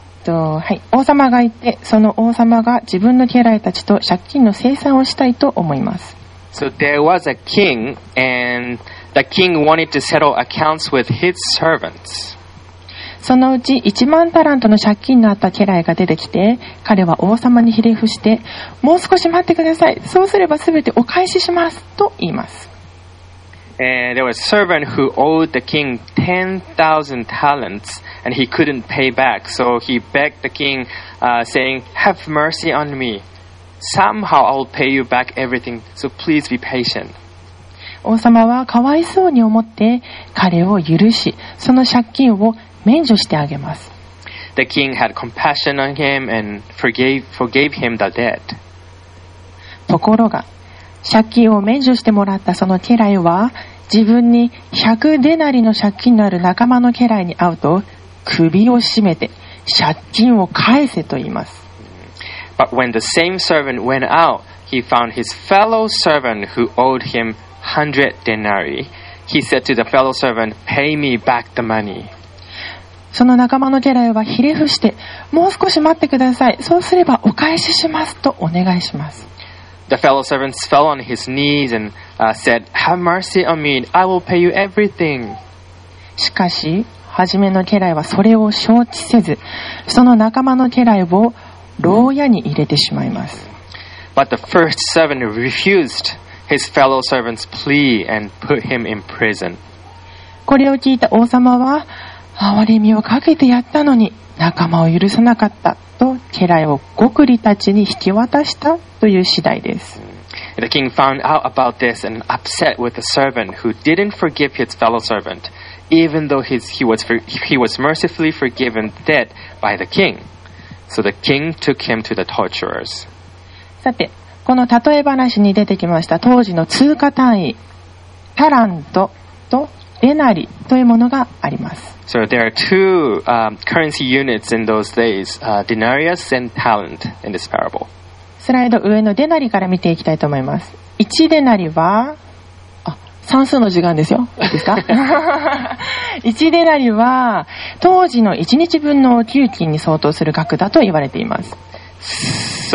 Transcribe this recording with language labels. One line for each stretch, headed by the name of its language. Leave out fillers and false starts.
Japanese: はい、王様がいてその王様が自分の家来たちと借金の清算をしたいと思います。
English: So there was a king and the king wanted to settle accounts with his servants.
Japanese: そのうち1万タラントの借金のあった家来が出てきて彼は王様にひれ伏してもう少し待ってください、そうすればすべてお返ししますと言います。
English: And there was a servant who owed the king 10,000 talents and he couldn't pay back. So he begged the king, saying, Have mercy on me. Somehow I'll pay you back everything. So please be patient.
Japanese: 王様はかわいそうに思って彼を許し、その借金を免除してあげます。
English: The king had compassion on him and forgave him the debt.
Japanese: ところが、借金を免除してもらったその家来は自分に100デナリの借金のある仲間の家来に会うと首を絞めて借金を返せと言います。
English: But when the same servant went out, he found his fellow servant who owed him 100 denarii. He said to the fellow servant, Pay me back the money.
Japanese: その仲間の家来はひれ伏してもう少し待ってください、そうすればお返ししますとお願いします。
English: The fellow servants fell on his knees and said, Have mercy on me, I will pay you everything.
Japanese: しかし、はじめの家来はそれを承知せず、その仲間の家来を牢屋に入れてしまいます。
English: But the first servant refused his fellow servant's plea and put him in prison.
Japanese: これを聞いた王様は、憐れみをかけてやったのに、仲間を許さなかった。と家来をごくりたちに引き渡したという次第です。
English: The king found out about this and upset with the servant who didn't forgive his fellow servant even though he was mercifully forgiven debt by the king. So the king took him to the torturers.
Japanese: さてこの例え話に出てきました当時の通貨単位タラントとデナリというものがあります。
English: So there are two currency units in those days, denarius and talent in this parable.
Japanese: スライド上のデナリから見ていきたいと思います。1デナリは、算数の時間ですよ。いいですか?1 デナリは、当時の1日分のお給金に相当する額だと言われています。